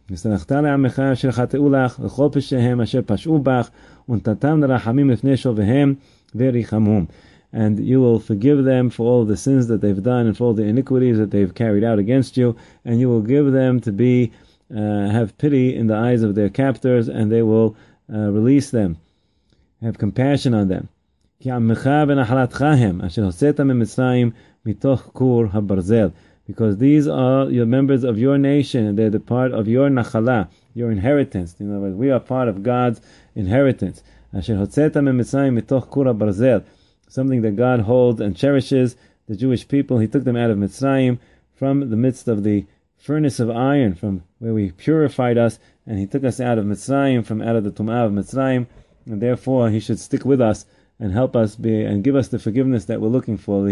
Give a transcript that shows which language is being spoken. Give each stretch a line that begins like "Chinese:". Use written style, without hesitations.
Hebrew: V'sanachta le'amecha asher chata'u lach v'chol pesheihem asher pash'u bach ונתתם לרחמים לפני שוביהם וריחמום.
English: And you will forgive them for all the sins that they've done and for all the iniquities that they've carried out against you, and you will give them to be have pity in the eyes of their captors, and they will release them, have compassion on them.
Hebrew: כי עמך ונחלתך הם אשר הוצאת ממצרים מתוך כור הברזל.
English: Because these are your members of your nation, and they're the part of your nachala, your inheritance. In other words, we are part of God's inheritance.
Hebrew: Asher hotzeta memitzrayim mitoch kur ha-barzel,
English: something that God holds and cherishes, the Jewish people. He took them out of Mitzrayim, from the midst of the furnace of iron, from where we purified us, and he took us out of Mitzrayim, from out of the tum'ah of Mitzrayim, and therefore he should stick with us and help us be, and give us the forgiveness that we're looking for.